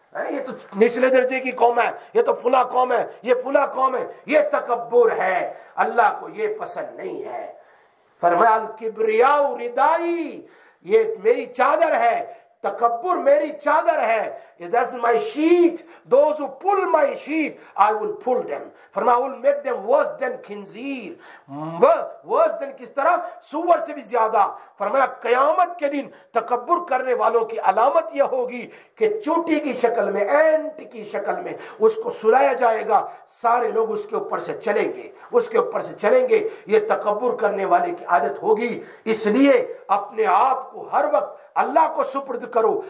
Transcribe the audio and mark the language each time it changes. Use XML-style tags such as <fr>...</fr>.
<ur>یہ تو نچلے درجے کی قوم ہے، یہ تو فلا قوم ہے، یہ فلا قوم ہے، یہ تکبر ہے، اللہ کو یہ پسند نہیں ہے. فرمایا</ur> <ar>الکبریاء ردائی،</ar> <ur>یہ میری چادر ہے، تکبر میری چادر ہے.</ur> <en>That's my sheet. Those who pull my sheet, I will pull them. فرما I will make them worse than khinzir. Worse than</en> <ur>کس طرح؟ سور سے بھی زیادہ. فرمایا قیامت کے دن تکبر کرنے والوں کی علامت یہ ہوگی کہ چوٹی کی شکل میں، اینٹ کی شکل میں اس کو سلایا جائے گا، سارے لوگ اس کے اوپر سے چلیں گے، اس کے اوپر سے چلیں گے. یہ تکبر کرنے والے کی عادت ہوگی. اس لیے اپنے آپ کو ہر وقت اللہ کو سپرد کرو.</ur>